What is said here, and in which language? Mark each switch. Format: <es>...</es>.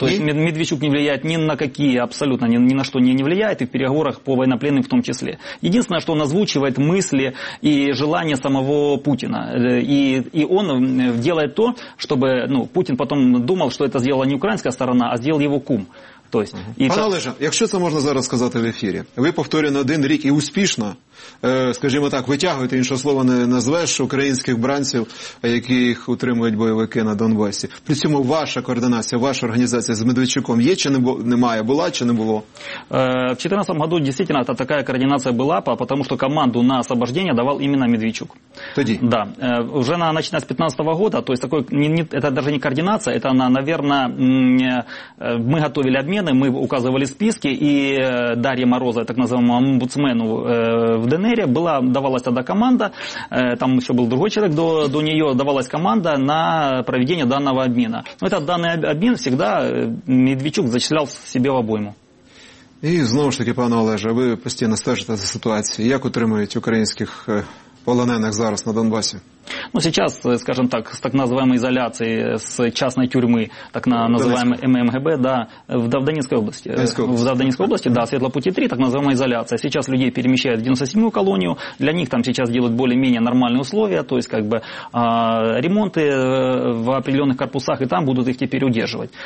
<ru>То есть Медведчук не влияет ни на какие, абсолютно ни на что не влияет, и в переговорах по военнопленным в том числе. Единственное, что он озвучивает мысли и желания самого Путина. И он делает то, чтобы ну, Путин потом думал, что это сделала не украинская сторона, а сделал его кум. То есть, угу.</ru> <uk>Пане Олеже, якщо це можна зараз сказати в ефірі, ви повторюєте один рік і успішно, скажімо так, витягуєте, інше слово не назвеш, українських бранців, яких утримують бойовики на Донбасі. При цьому ваша координація, ваша організація з Медведчуком є чи немає, була чи не було? В 14-му році, дійсно, така координація була, тому що команду на освобождение давав іменно Медведчук. Тоді? Так. Да. Вже починаючи з 15-го року,</uk> <ru>то есть,</ru> <uk>це навіть не координація, це,</uk> <ru>наверное,</ru> <uk>ми готовили обмін.</uk> <ru>Мы указывали списки, и Дарья Мороза, так называемому омбудсмену в ДНР, давалась тогда команда, там еще был другой человек до нее, давалась команда на проведение данного обмена. Но этот данный обмен всегда Медведчук зачислял себе в обойму. И снова же таки, пане Олеже, вы постоянно стежите за ситуацией.</ru> <uk>Как утримуете украинских полонених зараз на Донбасі?</uk> <ru>Ну, сейчас, скажем так, с так называемой изоляцией, с частной тюрьмы, так называемой ММГБ, да, в Донецкой области. В Донецкой области, да, Светлопути 3, так называемая изоляция. Сейчас людей перемещают в 97-ю колонию, для них там сейчас делают более-менее нормальные условия, то есть, как бы, ремонты в определенных корпусах, и там будут их теперь удерживать.</ru>